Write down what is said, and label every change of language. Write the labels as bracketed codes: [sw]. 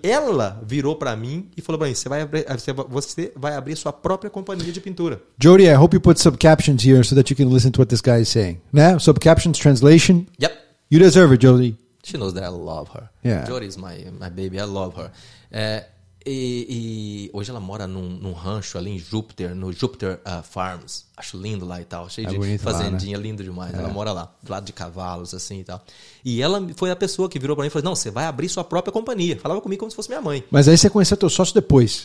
[pt] Ela virou para mim e falou para mim, você vai abrir sua própria companhia de pintura. [en] Jory, I hope you put subcaptions here so that you can listen to what this guy is saying. Né? Subcaptions, translation. Yep. You deserve it, Jody. She knows that I love her. Yeah. Jody is my baby, I love her. [pt] E hoje ela mora num rancho ali em Júpiter, no Júpiter Farms. Acho lindo lá e tal, cheio de fazendinha, lá, né? Lindo demais. É. Ela mora lá, do lado de cavalos, assim e tal. E ela foi a pessoa que virou pra mim e falou, não, você vai abrir sua própria companhia. Falava comigo como se fosse minha mãe. Mas aí você conheceu teu sócio depois.